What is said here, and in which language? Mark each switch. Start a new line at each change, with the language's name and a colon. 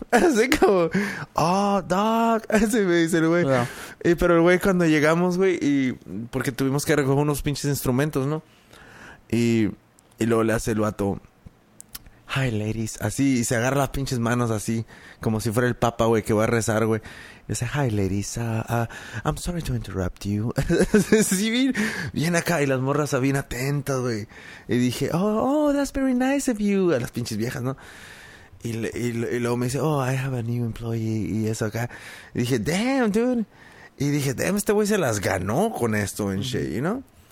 Spanish: Así como,
English: oh, dog.
Spanish: Así me dice el güey. No. Pero el güey, cuando llegamos, güey, y porque tuvimos que recoger unos pinches instrumentos, ¿no? Y luego le hace el vato.
English: Hi, ladies.
Spanish: Así, y se agarra las pinches manos así, como si fuera el papa, güey, que va a rezar, güey. Y dice,
English: hi, ladies, I'm sorry to interrupt you.
Spanish: Sí, bien acá, y las morras bien atentas, güey. Y dije,
English: oh, that's very nice of you,
Spanish: a las pinches viejas, ¿no? Y luego me dice,
English: oh, I have a new employee,
Spanish: y eso acá. Y dije,
English: damn, dude.
Spanish: Y dije,
English: damn,
Spanish: este güey se las ganó con esto, en
English: shit, you know?